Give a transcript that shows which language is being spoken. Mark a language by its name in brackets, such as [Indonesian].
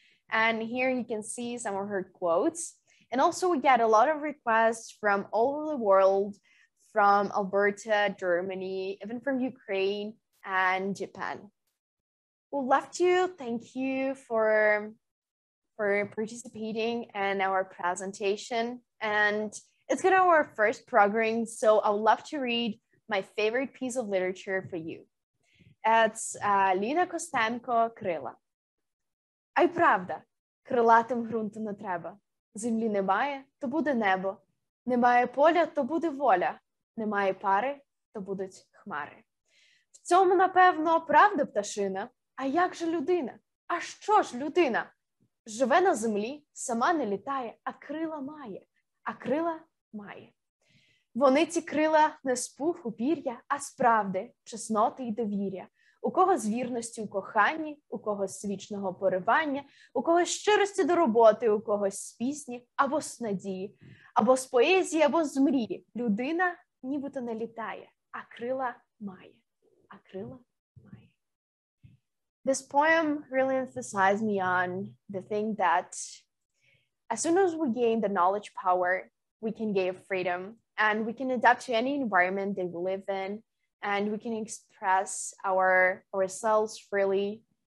[English] And here you can see some of her quotes. And also we get a lot of requests from all over the world, from Alberta, Germany, even from Ukraine and Japan. We'd love to thank you for participating in our presentation. And it's going to be our first program, so I would love to read my favorite piece of literature for you. It's [Ukrainian] Ліна Костенко «Крила». Ай, правда, крилатим ґрунту не треба. Землі немає, то буде небо. Немає поля, то буде воля. Немає пари, то будуть хмари. В цьому, напевно, правда пташина. А як же людина? А що ж людина? Живе на землі, сама не літає, а крила має. А крила має. Вони ці крила не з пуху пір'я, а з правди, чесноти і довір'я. У кого з вірності у коханні, у кого з вічного поривання, у кого з щирості до роботи, у кого з пісні або з надії, або з поезії, або з мрії. Людина нібито не літає, а крила має. А крила має. [English] This poem really emphasized me on the thing that as soon as we gain the knowledge power, we can gain freedom and we can adapt to any environment that we live in. And we can express ourselves freely.